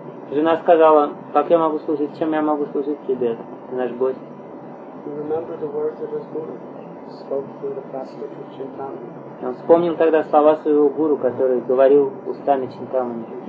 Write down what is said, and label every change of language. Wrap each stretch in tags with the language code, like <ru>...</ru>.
<ru>Жена сказала, как я могу служить, чем я могу служить тебе, ты наш гость.</ru> <en>He remembered the words of his guru, spoke through the prostitute Chintamani.</en> <ru>Он вспомнил тогда слова своего гуру, который говорил устами Чинтамани.</ru>